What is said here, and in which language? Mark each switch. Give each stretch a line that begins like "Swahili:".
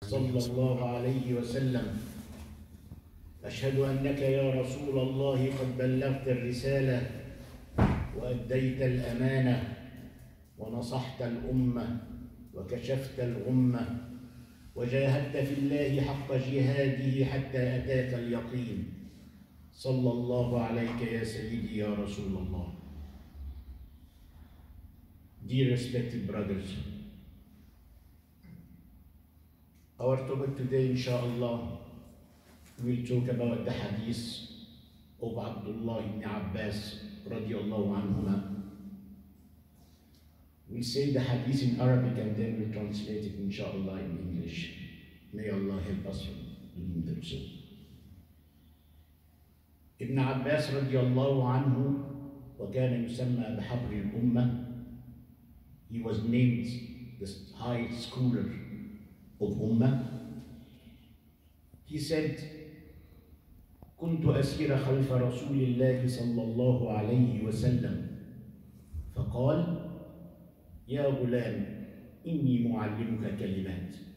Arabic: صلى الله عليه وسلم: أشهد أنك يا رسول الله قد بلغت الرسالة وأديت الأمانة ونصحت الأمة وكشفت الغمة وجاهدت في الله حق جهاده حتى أتاك اليقين، صلى الله عليك يا سيدي يا رسول الله.
English: Dear respected brothers, our topic today, inshallah, we'll talk about the hadith of Abdullah ibn Abbas radiallahu anhuma. We'll say the hadith in Arabic and then we'll translate it inshallah in English. May Allah help us from the Muslim.
Arabic: Ibn Abbas radiallahu anhu, wa kana yusamma bihabri al-umma.
English: He was named the high scholar of Ummah. He said,
Arabic: كنت أسير خلف رسول الله صلى الله عليه وسلم فقال يا غلام إني معلمك كلمات.